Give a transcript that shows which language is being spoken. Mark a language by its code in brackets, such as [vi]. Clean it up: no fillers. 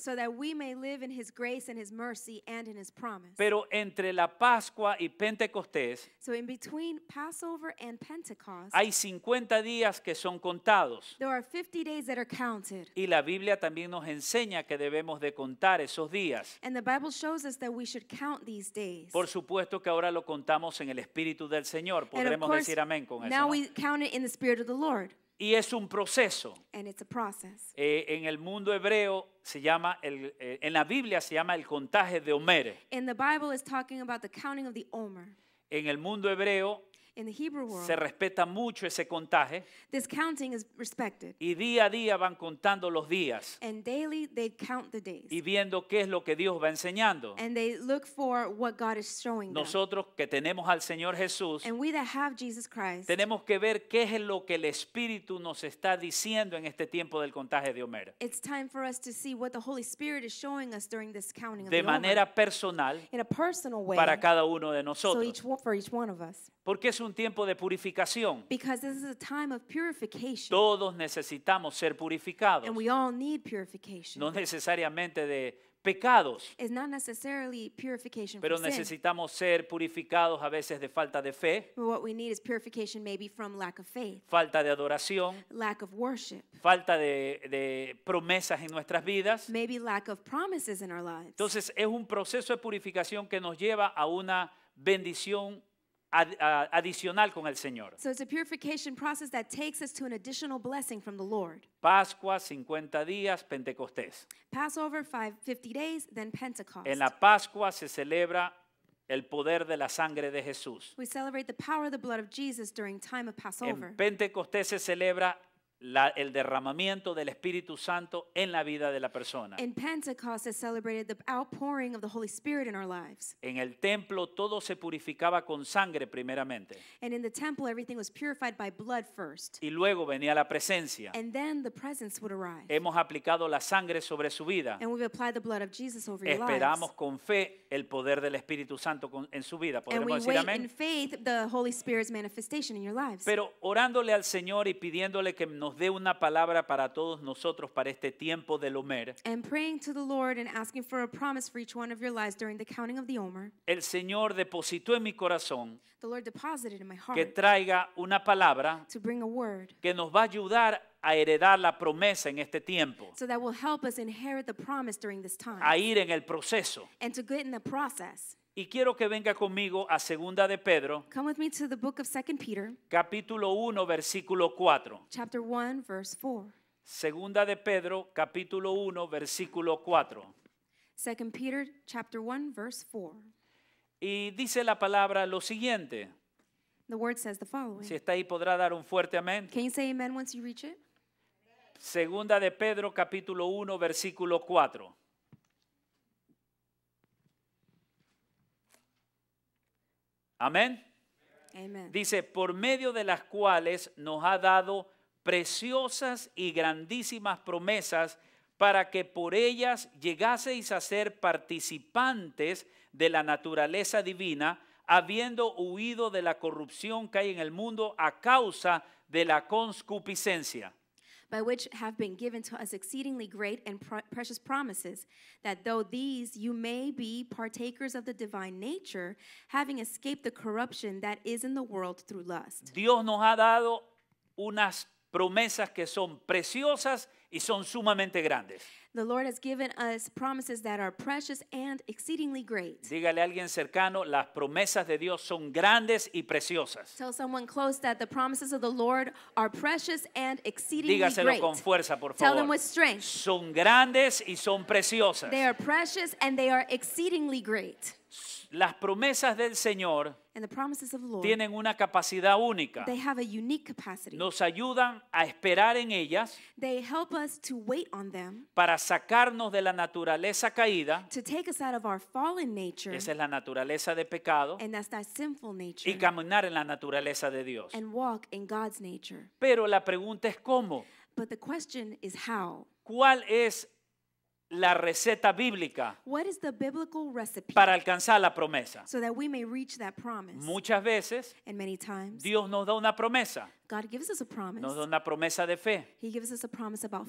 [en] So that we may live in his grace and his mercy and in his promise. [es] Pero entre la Pascua y Pentecostés [en] so in between Passover and Pentecost [es] hay 50 días que son contados. [en] There are 50 days that are counted. [es] Y la Biblia también nos enseña que debemos de contar esos días. [en] And the Bible shows us that we should count these days. [es] Por supuesto que ahora lo contamos en el Espíritu del Señor. Podremos [en] course, [es] decir amén con [en] now [es] eso. [en] Now we count it in the Spirit of the Lord. [es] Y es un proceso. [en] And it's a process. [es] En el mundo hebreo se llama en la Biblia se llama el contaje de Omer. [en] In the Bible is talking about the counting of the Omer. [es] En el mundo hebreo [en] in the Hebrew world, [es] se respeta mucho ese contaje. [en] This counting is respected. [es] Y día a día van contando los días. [en] And daily they count the days. [es] Y viendo qué es lo que Dios va enseñando. [en] And they look for what God is showing [es] nosotros [en] them. [es] Que tenemos al Señor Jesús. [en] And we that have Jesus Christ. [es] Tenemos que ver qué es lo que el Espíritu nos está diciendo en este tiempo del contaje de Omer. [en] It's time for us to see what the Holy Spirit is showing us during this counting [es] de [en] of the [es] manera Omer. Personal [en] in a personal way, [es] para cada uno de nosotros. [en] So for each one of us. [es] Porque es un tiempo de purificación. [en] Because this is a time of purification. [es] Todos necesitamos ser purificados. [en] And we all need purification. [es] No necesariamente de pecados. [en] It's not necessarily purification [es] pero [en] for [es] necesitamos [en] sin. [es] Ser purificados a veces de falta de fe. [en] But what we need is purification maybe from lack of faith. [es] Falta de adoración. [en] Lack of worship. [es] Falta de promesas en nuestras vidas. [en] Maybe lack of promises in our lives. [es] Entonces es un proceso de purificación que nos lleva a una bendición adicional con el Señor. [en] So it's a purification process that takes us to an additional blessing from the Lord. [es] Pascua, 50 días, Pentecostés. [en] Passover, 50 days, then Pentecost. [es] En la Pascua se celebra el poder de la sangre de Jesús. [en] We celebrate the power of the blood of Jesus during time of Passover. [es] En Pentecostés se celebra el derramamiento del Espíritu Santo en la vida de la persona. [en] And Pentecost has celebrated the outpouring of the Holy Spirit in our lives. [es] En el templo todo se purificaba con sangre primeramente. [en] And in the temple everything was purified by blood first. [es] Y luego venía la presencia. [en] And then the presence would arrive. [es] Hemos aplicado la sangre sobre su vida. [en] And we've applied the blood of Jesus over your lives. [es] Esperamos con fe el poder del Espíritu Santo en su vida. ¿Podremos decir amén? [en] And we wait in faith the Holy Spirit's manifestation in your lives. [es] Pero orándole al Señor y pidiéndole que nos dé una palabra para todos nosotros para este tiempo del Omer. [en] And praying to the Lord and asking for a promise for each one of your lives during the counting of the Omer. [es] El Señor depositó en mi corazón. [en] The Lord deposited in my heart. [es] Que traiga una palabra. [en] To bring a word. [es] Que nos va a ayudar a heredar la promesa en este tiempo. [en] So that will help us inherit the promise during this time. [es] A ir en el proceso. [en] And to get in the process. [es] Y quiero que venga conmigo a Segunda de Pedro. [en] Come with me to the book of 2 Peter. [es] Capítulo 1, versículo 4. [en] Chapter 1, verse 4. [es] Segunda de Pedro, capítulo 1, versículo 4. [en] 2 Peter, chapter 1, verse 4. [es] Y dice la palabra lo siguiente. [en] The word says the following. [es] Si está ahí, podrá dar un fuerte amén. [en] Can you say amen once you reach it? [es] Segunda de Pedro, capítulo 1, versículo 4. Amén. [en] Amen. [es] Dice, por medio de las cuales nos ha dado preciosas y grandísimas promesas para que por ellas llegaseis a ser participantes de la naturaleza divina, habiendo huido de la corrupción que hay en el mundo a causa de la concupiscencia. [en] By which have been given to us exceedingly great and precious promises, that though these you may be partakers of the divine nature, having escaped the corruption that is in the world through lust. [es] Dios nos ha dado unas promesas que son preciosas y son sumamente grandes. [en] The Lord has given us promises that are precious and exceedingly great. [es] Dígale a alguien cercano, las promesas de Dios son grandes y preciosas. [en] Tell someone close that the promises of the Lord are precious and exceedingly [es] Dígaselo [en] great. [es] Dígaselo con fuerza, por favor. [en] Tell them with strength. [es] Son grandes y son preciosas. [en] They are precious and they are exceedingly great. [es] Las promesas del Señor [en] And the promises of the Lord, [es] tienen una capacidad única. [en] They have a unique capacity. [es] Nos ayudan a esperar en ellas. [en] They help us to wait on them. [es] Para sacarnos de la naturaleza caída. [en] To take us out of our fallen nature. [es] Esa es la naturaleza de pecado. [en] And that's that sinful nature. [es] Y caminar en la naturaleza de Dios. [en] And walk in God's nature. [es] Pero la pregunta es cómo. [en] But the question is how. [es] ¿Cuál es la receta bíblica [en] What is the biblical recipe [es] para alcanzar la promesa? [en] So that we may reach that promise. [es] Muchas veces [en] And many times, [es] Dios nos da una promesa. [en] God gives us a promise. [es] Nos da una promesa de fe. [en] He gives us a promise about